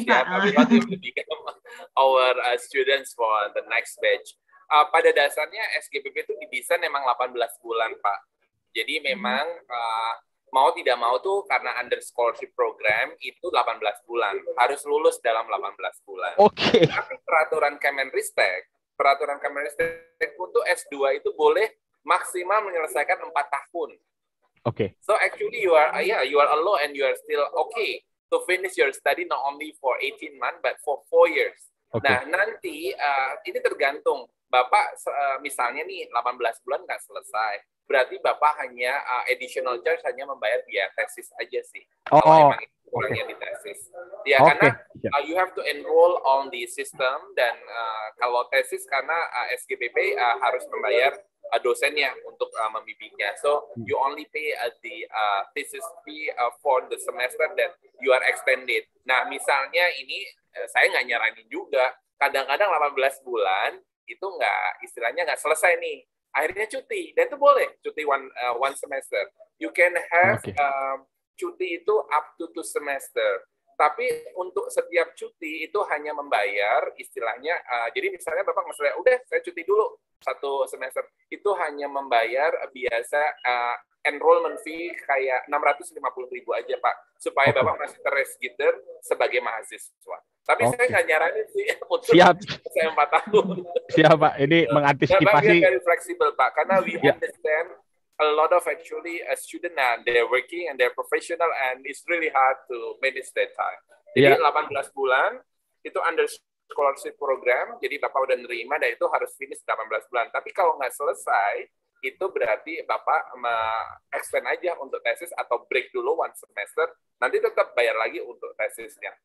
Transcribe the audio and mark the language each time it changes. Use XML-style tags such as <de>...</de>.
<en>ya Pak Birhot to become our students for the next batch.</en> <id>Pada dasarnya SGPP itu didesain memang 18 bulan Pak. Jadi memang mau tidak mau tuh karena under scholarship program itu 18 bulan. Harus lulus dalam 18 bulan. Oke. Okay. Tapi peraturan Kemenristek, untuk S2 itu boleh maksimal menyelesaikan 4 tahun. Okay.</id> <en>So actually you are you are alone and you are still okay to finish your study not only for 18 months but for 4 years. Okay.</en> <id>Nah, nanti ini tergantung Bapak misalnya nih 18 bulan nggak selesai. Berarti Bapak hanya additional charge hanya membayar biaya tesis aja sih. Oh, kalau memang itu kurangnya okay. Di tesis. Ya okay. Karena</id> <en>you have to enroll on the system</en> <id>dan kalau tesis karena SGPP harus membayar dosennya untuk membimbingnya.</id> <en>So you only pay the thesis fee for the semester that you are extended.</en> <id>Nah, misalnya ini saya nggak nyaranin juga. Kadang-kadang 18 bulan itu nggak istilahnya nggak selesai nih. Akhirnya cuti dan itu boleh cuti one semester.</id> <en>You can have</en> <id>cuti itu</id> <en>up to 2 semester.</en> <id>Tapi untuk setiap cuti itu hanya membayar istilahnya. Jadi misalnya Bapak maksudnya udah saya cuti dulu. Satu semester itu hanya membayar biasa enrollment fee kayak 650.000 aja Pak supaya Bapak masih terregister sebagai mahasiswa. Tapi saya nggak nyaranin sih untuk siap. Saya 4 tahun. Siap Pak, ini mengantisipasi.</id> <en>Ya, very flexible Pak karena we understand a lot of actually a student and they're working and they're professional and it's really hard to manage their time.</en> <id>Jadi 18 bulan itu under scholarship program, jadi Bapak udah nerima dan itu harus finish 18 bulan. Tapi kalau nggak selesai, itu berarti Bapak extend aja untuk tesis atau break dulu one semester, nanti tetap bayar lagi untuk tesisnya.</id>